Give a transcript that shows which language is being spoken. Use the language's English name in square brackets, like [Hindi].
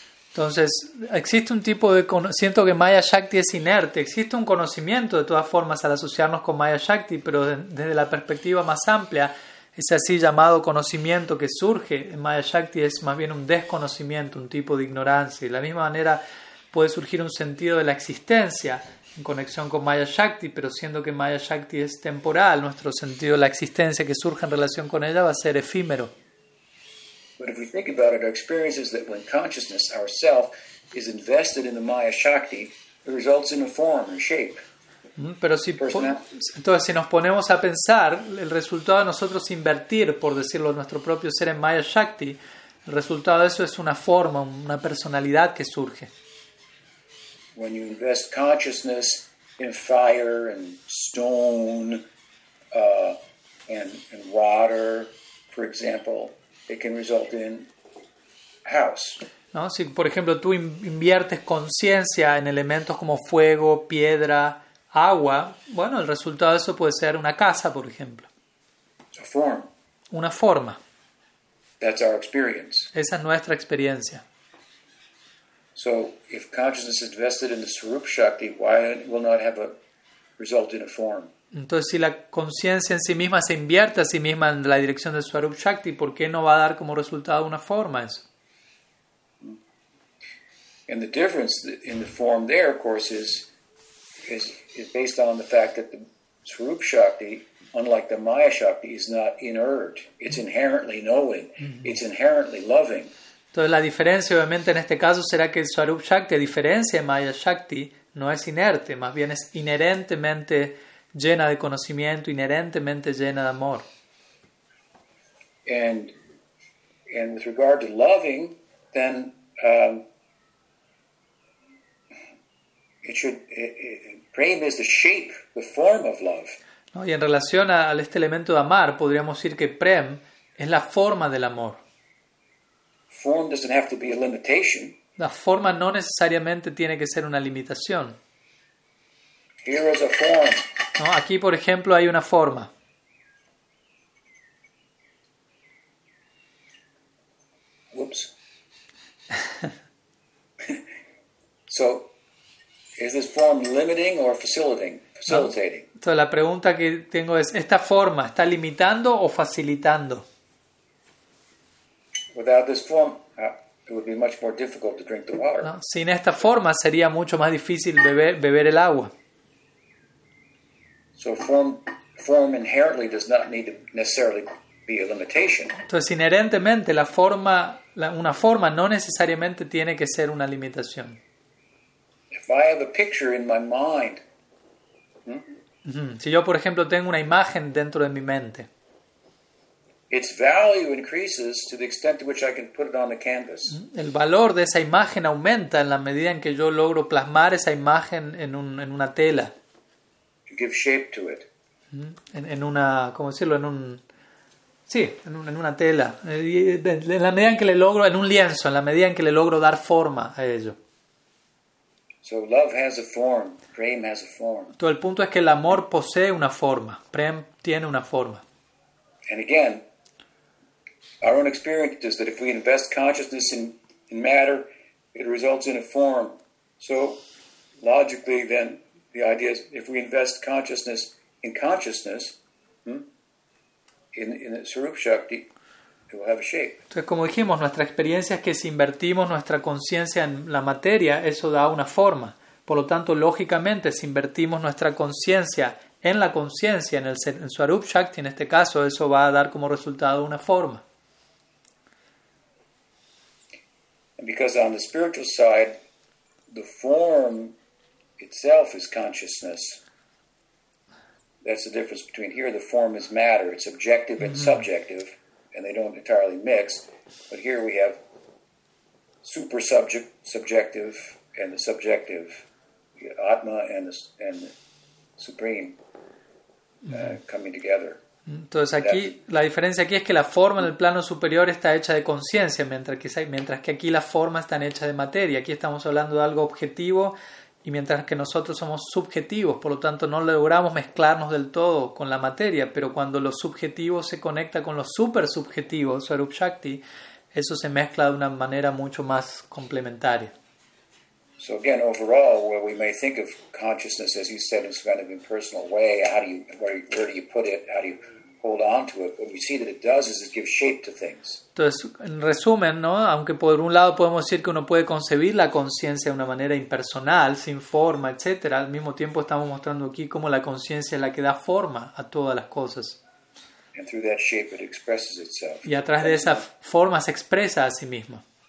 [Spanish] Entonces, existe un tipo de siento que Maya Shakti es inerte, existe un conocimiento de todas formas al asociarnos con Maya Shakti, pero desde la perspectiva más amplia, ese así llamado conocimiento que surge en Maya Shakti es más bien un desconocimiento, un tipo de ignorancia. Y de la misma manera puede surgir un sentido de la existencia en conexión con Maya Shakti, pero siendo que Maya Shakti es temporal, nuestro sentido de la existencia que surge en relación con ella va a ser efímero. [English] But if we think about it, our experience is that when consciousness, ourself, is invested in the Maya Shakti, it results in a form or shape. [Spanish] Pero si entonces si nos ponemos a pensar, el resultado de nosotros invertir, por decirlo, nuestro propio ser en Maya Shakti, el resultado de eso es una forma, una personalidad que surge. [English] When you invest consciousness in fire and stone and water, for example, it can result in house. [Spanish] No, si por ejemplo tú inviertes conciencia en elementos como fuego, piedra, agua, bueno, el resultado de eso puede ser una casa, por ejemplo. [English] A form. [Spanish] Una forma. [English] That's our experience. [Spanish] Esa es nuestra experiencia. [English] So, if consciousness is vested in the Swarup Shakti, why will not have a result in a form? [Spanish] Entonces, si la conciencia en sí misma se invierte a sí misma en la dirección de Swarup Shakti, ¿por qué no va a dar como resultado una forma eso? [English] And the difference in the form there, of course, is based on the fact that the Swarup Shakti, unlike the Maya Shakti, is not inert. It's inherently knowing. It's inherently loving. [Spanish] Entonces, la diferencia, obviamente, en este caso será que el Swarup Shakti, a diferencia de Maya Shakti, no es inerte, más bien es inherentemente llena de conocimiento, inherentemente llena de amor. [English] And with regard to loving, then prema is the shape, the form of love. [Spanish] No, y en relación a este elemento de amar, podríamos decir que prem es la forma del amor. [English] Form doesn't have to be a limitation. [Spanish] La forma no necesariamente tiene que ser una limitación. [English] Here is a form. [Spanish] No, aquí, por ejemplo, hay una forma. [English] Whoops. So, is this form limiting or facilitating? [Spanish] No. Entonces, Entonces la pregunta que tengo es, ¿esta forma está limitando o facilitando? [English] Without this form, it would be much more difficult to drink the water. [Spanish] No, sin esta forma sería mucho más difícil beber el agua. [English] So form inherently does not need to necessarily be a limitation. [Spanish] Entonces inherentemente la forma, una forma no necesariamente tiene que ser una limitación. [English] If I have a picture in my mind, [Spanish] Si yo por ejemplo tengo una imagen dentro de mi mente, [English] its value increases to the extent to which I can put it on the canvas. [Spanish] El valor de esa imagen aumenta en la medida en que yo logro plasmar esa imagen en una tela. [English] To give shape to it. [Spanish] En una, ¿cómo decirlo? En un, sí, en una tela. En la medida en que le logro, en un lienzo, en la medida en que le logro dar forma a ello. [English] So love has a form. Prem has a form. [Spanish] Todo el punto es que el amor posee una forma. Prem tiene una forma. [English] And again, our own experience is that if we invest consciousness in matter, it results in a form. So, logically, then the idea is if we invest consciousness, in the Swarup Shakti, it will have a shape. [Spanish] Entonces, como dijimos, nuestra experiencia es que si invertimos nuestra conciencia en la materia, eso da una forma. Por lo tanto, lógicamente, si invertimos nuestra conciencia en la conciencia, en Swarup Shakti, en este caso, eso va a dar como resultado una forma. [English] And because on the spiritual side, the form itself is consciousness. That's the difference between here. The form is matter. It's objective and subjective, and they don't entirely mix. But here we have super subjective and the subjective, Atma and the supreme. Coming together. [Spanish] Entonces aquí la diferencia aquí es que la forma en el plano superior está hecha de conciencia, mientras que aquí las formas están hechas de materia. Aquí estamos hablando de algo objetivo y mientras que nosotros somos subjetivos, por lo tanto no logramos mezclarnos del todo con la materia, pero cuando lo subjetivo se conecta con lo super subjetivo, Swarup Shakti, eso se mezcla de una manera mucho más complementaria. [English] So again, overall, where we may think of consciousness, as you said, in some kind of impersonal way, where do you put it, how do you hold on to it, what we see that it does is it gives shape to things. [Spanish] Entonces, en resumen, ¿no? Aunque por un lado podemos decir que uno puede concebir la conciencia de una manera impersonal, sin forma, etc., al mismo tiempo estamos mostrando aquí cómo la conciencia es la que da forma a todas las cosas. [English] And through that shape it expresses itself. [Spanish] Y a través de esa forma se expresa a sí misma.